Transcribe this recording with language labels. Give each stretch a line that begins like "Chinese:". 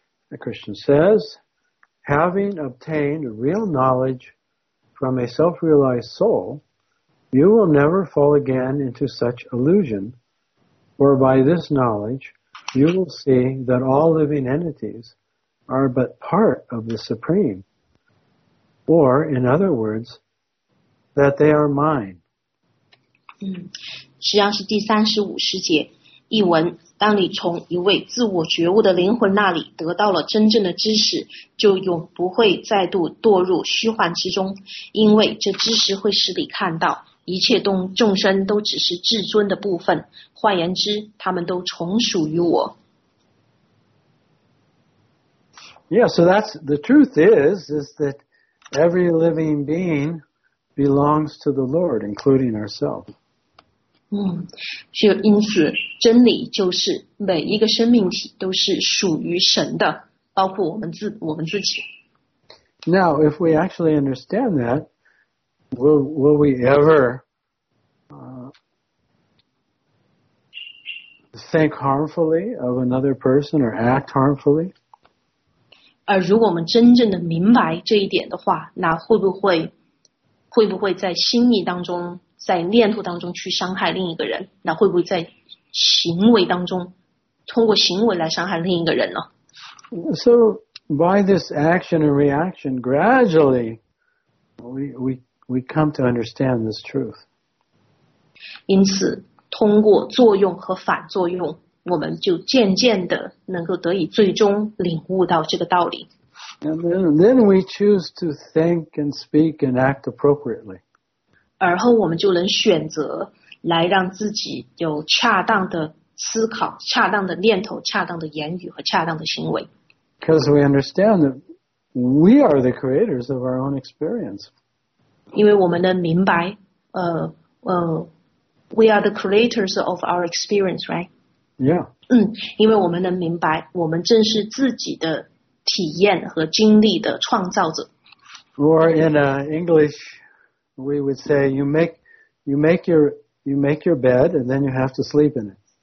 English: The Christian says, having obtained real knowledge from a self-realized soul, you will never fall again into such illusion, for by this knowledge, you will see that all living entities are but part of the Supreme, or, in other words, that they are mine.
Chinese: 实际上是第三十五十节。译文：当你从一位自我觉悟的灵魂那里得到了真正的知识，就永不会再度堕入虚幻之中，因为这知识会使你看到一切众生都只是至尊的部分，换言之，他们都从属于我。
English: Yeah, so that's the truth is that every living being belongs to the Lord, including ourselves.
Chinese: 就因此真理就是每一个生命体都是属于神的，包括我们自己。
English: Now, if we actually understand that, will we ever think harmfully of another person or act harmfully?
Chinese: 而如果我们真正的明白这一点的话，那会不会在心意当中，在念头当中去伤害另一个人？那会不会在行为当中，通过行为来伤害另一个人呢？
English: So by this action and reaction, gradually, we come to understand this truth.
Chinese: 因此，通过作用和反作用，我们就渐渐的能够得以最终领悟到这个道理。
English: And then we choose to think and speak and act appropriately.
Chinese: 而后我们就能选择来让自己有恰当的思考、恰当的念头、恰当的言语和恰当的行为。
English: Because we understand that we are the creators of our own experience.
Chinese: 因为我们能明白
English: we are the creators of our experience, right? Yeah.
Chinese: 因为我们能明白我们正是自己的体验和经历的创造者。
English: Or in English, we would say you make your bed and then you have to sleep in it.